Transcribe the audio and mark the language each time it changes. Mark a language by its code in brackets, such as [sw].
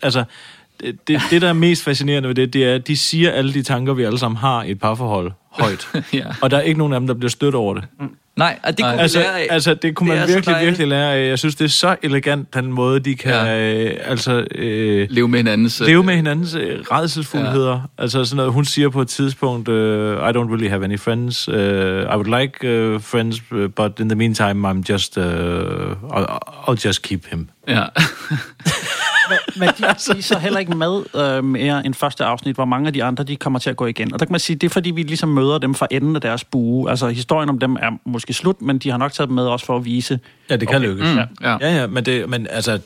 [da] Altså, det, der er mest fascinerende ved det, det er, at de siger alle de tanker, vi alle sammen har i et parforhold, højt. Og der er ikke nogen af dem, der bliver stødt over det. Nej, det kunne man lære af. Altså, det kunne man virkelig, virkelig lære af. Jeg synes, det er så elegant, den måde, de kan... Ja. Leve med hinandens... Leve med hinandens rædselsfuldheder. Ja. Altså sådan noget, hun siger på et tidspunkt, [en] I don't really have any friends. I would like friends, but in the meantime, I'm just... I'll just keep him. [da] Ja. Men de er så heller ikke med mere end første afsnit, hvor mange af de andre, de kommer til at gå igen. Og der kan man sige, det er fordi, vi ligesom møder dem fra enden af deres bue. Altså, historien om dem er måske slut, men de har nok taget dem med også for at vise. Ja, det kan okay. lykkes. Mm, ja. Ja, men det... Men, altså,